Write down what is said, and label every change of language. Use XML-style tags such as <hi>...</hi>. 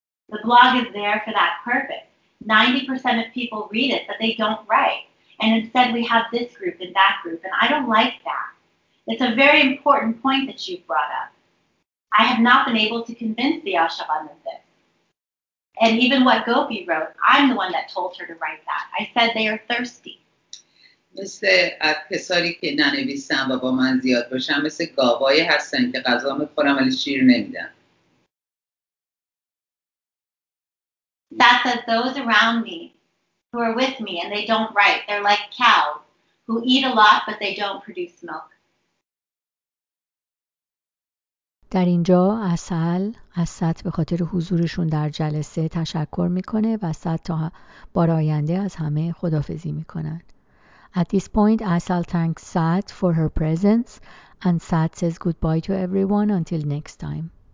<en>The blog is there for that purpose. 90% of people read it, but they don't write. And instead, we have this group and that group, and I don't like that. It's a very important point that you've brought up. I have not been able to convince the Ashaban of this. And even what Gopi wrote, I'm the one that told her to write that. I said they are thirsty.</en> <fa>مثل کسایی که ننویسن و با من زیاد باشن، مثل گاوایی هستن که غذا میخورن ولی شیر نمیدن.</fa> <en>That says those around me who are with me and they don't write, they're like cows who eat a lot but they don't produce milk.</en> <fa>در اینجا اصل از سطح به خاطر حضورشون در جلسه تشکر میکنه و سطح تا بار آینده از همه خدافزی میکنن.</fa> <en>At this point, Asal thanks Sat for her presence and Sat says goodbye to everyone until next time.</en>